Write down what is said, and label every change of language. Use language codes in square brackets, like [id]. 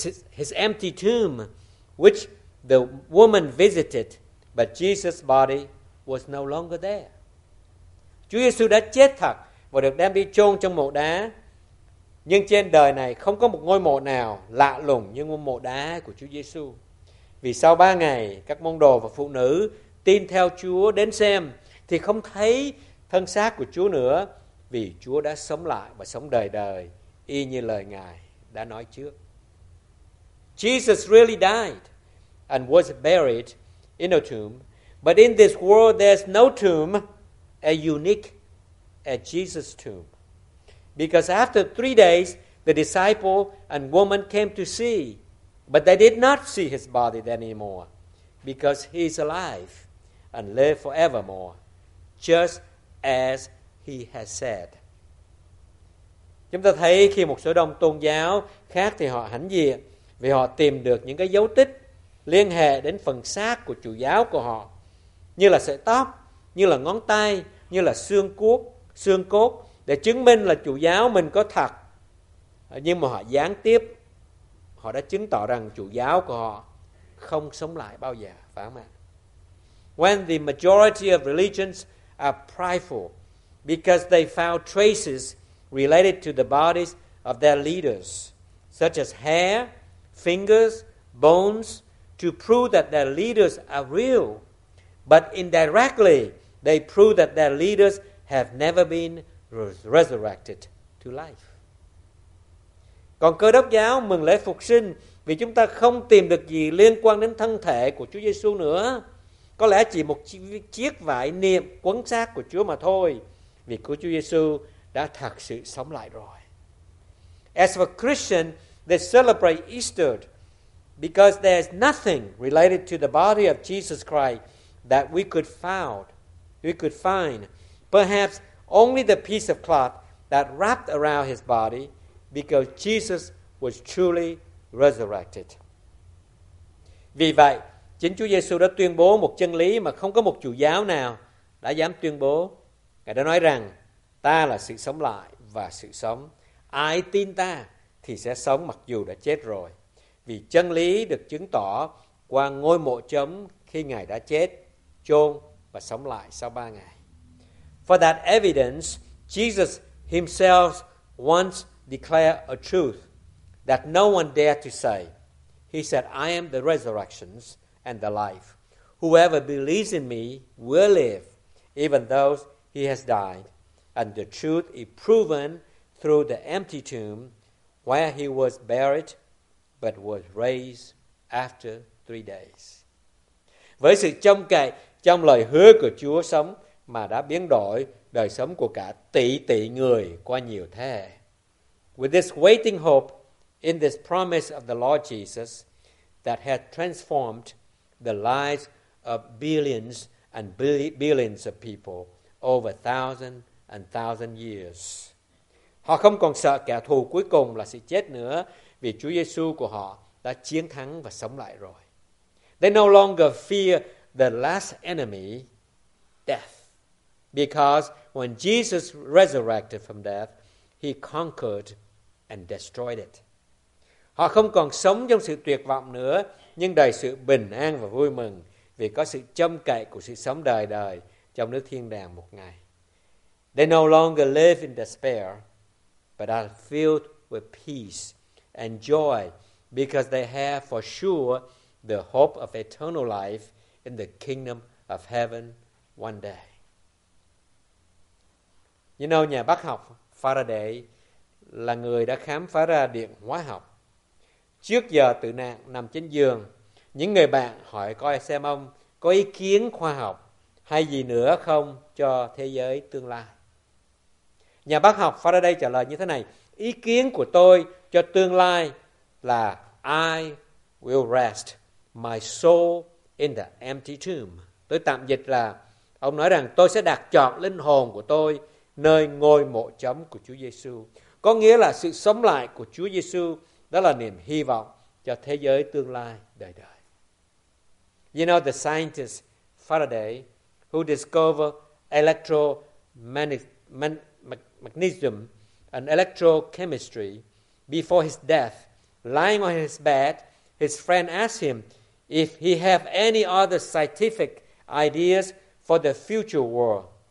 [en] His empty tomb, which the woman visited, but Jesus' body was no longer there. [vi] Chúa Giêsu đã chết thật và được đem đi chôn trong mộ đá, nhưng trên đời này không có một ngôi mộ nào lạ lùng như ngôi mộ đá của Chúa Giêsu. Vì sau 3 ngày, các môn đồ và phụ nữ tin theo Chúa đến xem thì không thấy thân xác của Chúa nữa, vì Chúa đã sống lại và sống đời đời y như lời Ngài đã nói trước. [en] Jesus really died and was buried in a tomb, but in this world there's no tomb as unique as Jesus' tomb. Because after 3 days, the disciple and woman came to see, but they did not see his body then anymore, because he is alive and live forevermore, just as he has said. [vi] Chúng ta thấy khi một số đông tôn giáo khác thì họ hãnh diện vì họ tìm được những cái dấu tích liên hệ đến phần xác của chủ giáo của họ, như là sợi tóc, như là ngón tay, như là xương cốt, để chứng minh là chủ giáo mình có thật. Nhưng mà họ gián tiếp, họ đã chứng tỏ rằng chủ giáo của họ không sống lại bao giờ, phải không ạ? [en] When the majority of religions are prideful because they found traces related to the bodies of their leaders, such as hair, fingers, bones, to prove that their leaders are real, but indirectly they prove that their leaders have never been resurrected to life. [vi] Còn Cơ Đốc giáo mừng lễ phục sinh vì chúng ta không tìm được gì liên quan đến thân thể của Chúa Giêsu nữa. Có lẽ chỉ một chiếc vải niệm quấn xác của Chúa mà thôi, vì của Chúa Giêsu đã thật sự sống lại rồi. [en] As for Christian, they celebrate Easter because there's nothing related to the body of Jesus Christ that we could find. Perhaps only the piece of cloth that wrapped around his body, because Jesus was truly resurrected. [vi] Vì vậy, chính Chúa Giêsu đã tuyên bố một chân lý mà không có một chủ giáo nào đã dám tuyên bố. Ngài đã nói rằng, ta là sự sống lại và sự sống. Ai tin ta thì sẽ sống mặc dù đã chết rồi. Vì chân lý được chứng tỏ qua ngôi mộ trống khi Ngài đã chết, chôn và sống lại sau 3 ngày. [en] For that evidence, Jesus himself once declared a truth that no one dared to say. He said, I am the resurrection and the life. Whoever believes in me will live, even though he has died. And the truth is proven through the empty tomb where he was buried, but was raised after 3 days. [vi] Với sự trông cậy trong lời hứa của Chúa sống mà đã biến đổi đời sống của cả tỷ tỷ người qua nhiều thế hệ. [en] With this waiting hope in this promise of the Lord Jesus that had transformed the lives of billions and billions of people over thousand and thousand years. [vi] Họ không còn sợ kẻ thù cuối cùng là sự chết nữa, vì Chúa Giêsu của họ đã chiến thắng và sống lại rồi. [en] They no longer fear the last enemy, death. Because when Jesus resurrected from death, he conquered and destroyed it. [vi] Họ không còn sống trong sự tuyệt vọng nữa, nhưng đầy sự bình an và vui mừng vì có sự trông cậy của sự sống đời đời trong nước thiên đàng một ngày. [en] They no longer live in despair, but are filled with peace and joy because they have for sure the hope of eternal life in the kingdom of heaven one day. You know, [vi] nhà bác học Faraday là người đã khám phá ra điện hóa học. trước giờ tử nạn nằm trên giường, những người bạn hỏi coi xem ông có ý kiến khoa học hay gì nữa không cho thế giới tương lai. Nhà bác học Faraday trả lời như thế này: ý kiến của tôi cho tương lai là [en] I will rest my soul in the empty tomb. [vi] Tôi tạm dịch là ông nói rằng tôi sẽ đặt trọn linh hồn của tôi nơi ngôi mộ trống của Chúa Giêsu. Có nghĩa là sự sống lại của Chúa Giêsu đó là niềm hy vọng cho thế giới tương lai đời đời. [en] You know, the scientist Faraday, who discovered electromagnetism and electrochemistry, before his death, lying on his bed, his friend asked him if he had any other scientific ideas for the future world.